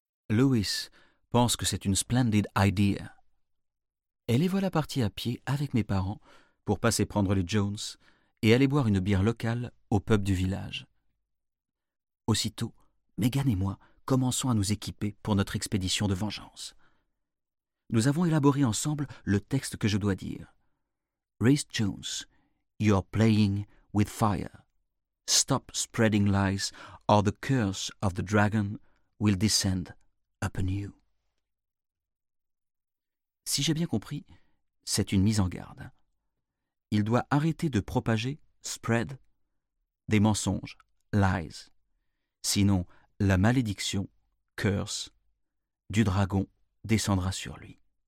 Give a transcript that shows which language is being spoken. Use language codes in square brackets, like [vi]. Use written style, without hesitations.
[fr] Lewis pense que c'est une [en] splendid idea. [fr] Et les voilà partis à pied avec mes parents pour passer prendre les Jones et aller boire une bière locale au pub du village. Aussitôt, Megan et moi commençons à nous équiper pour notre expédition de vengeance. Nous avons élaboré ensemble le texte que je dois dire. [en] Rhys Jones, you're playing with fire. Stop spreading lies or the curse of the dragon will descend upon you. [fr] Si j'ai bien compris, c'est une mise en garde. Il doit arrêter de propager, spread, des mensonges, lies. Sinon, la malédiction, curse, du dragon descendra sur lui.